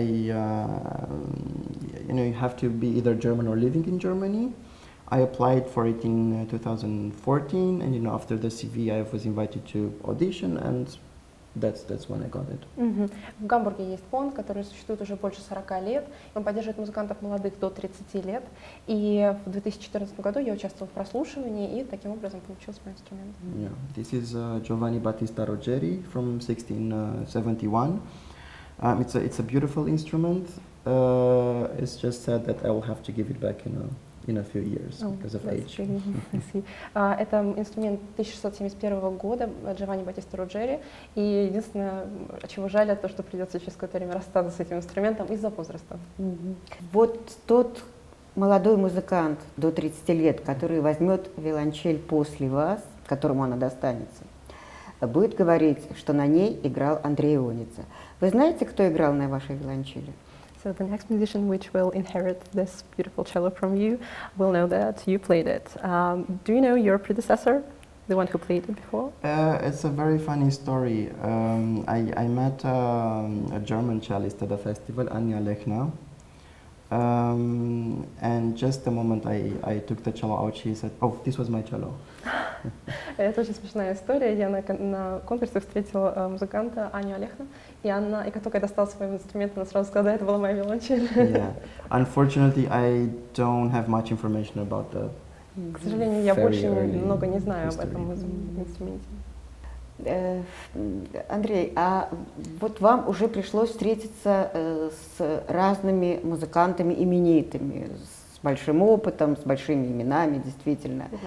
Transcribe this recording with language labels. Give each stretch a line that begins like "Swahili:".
English: And you have to be either German or living in Germany. I applied for it in 2014, and after the CV, I was invited to audition, and that's when I got it. Mm-hmm.
Russian: В Гамбурге есть фонд, который существует уже больше 40 лет. Он поддерживает музыкантов молодых до 30 лет. И в 2014 году я участвовала в прослушивании, и таким образом получился мой инструмент.
English: Yeah, this is Giovanni Battista Ruggeri from 1671. It's a beautiful instrument. It's just sad that I will have to give it back, in a few years because of age.
Russian: Это инструмент 1671 года Джованни Батиста Руджери. И единственное, чего жаль, то, что придется через какое-то время расстаться с этим инструментом из-за возраста. Вот тот молодой музыкант до 30 лет, который возьмет виолончель после вас, которому она достанется, будет говорить, что на ней играл Андрей Ионица. Вы знаете, кто играл на вашей виолончели?
English: So the next musician which will inherit this beautiful cello from you will know that you played it. Do you know your predecessor, the one who played it before? It's a very funny story. I met a German cellist at a festival, Anja Lechner. And just the moment I took the cello out, she said, oh, this was my cello.
Russian: Это очень смешная история. Я на конкурсе встретила музыканта Аню Олеховну, и она, и как только я достала свой инструмент, она сразу сказала, это была моя виолончель.
English: Yeah. Unfortunately, I don't have much information about the.
Russian: К сожалению, я больше много не знаю об этом инструменте. Андрей, а вот вам уже пришлось встретиться с разными музыкантами именитыми, с большим опытом, с большими именами, действительно.